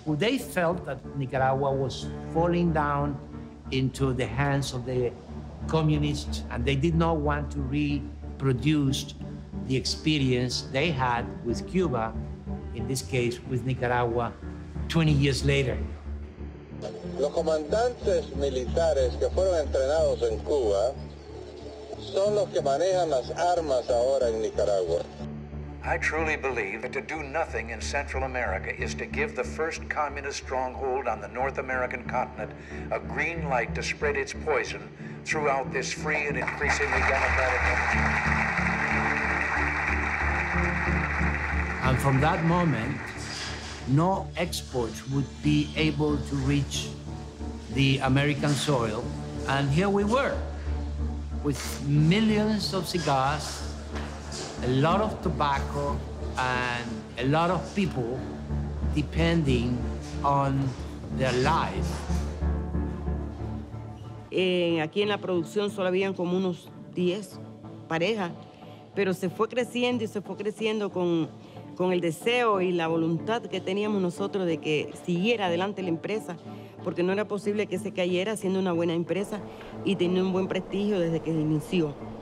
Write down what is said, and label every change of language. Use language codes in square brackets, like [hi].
[en] They felt that Nicaragua was falling down into the hands of the communists, and they did not want to reproduce the experience they had with Cuba, in this case with Nicaragua, 20 years later. [es] Los comandantes militares que fueron entrenados en Cuba son los que manejan las armas ahora en Nicaragua. [en] I truly believe that to do nothing in Central America is to give the first communist stronghold on the North American continent a green light to spread its poison throughout this free and increasingly democratic country. And from that moment, no exports would be able to reach the American soil. And here we were, with millions of cigars, a lot of tobacco, and a lot of people depending on their lives. [es] Aquí en la producción solo habían como unos 10 parejas, pero se fue creciendo y se fue creciendo con el deseo y la voluntad que teníamos nosotros de que siguiera adelante la empresa, porque no era posible que se cayera siendo una buena empresa y tenía un buen prestigio desde que inició.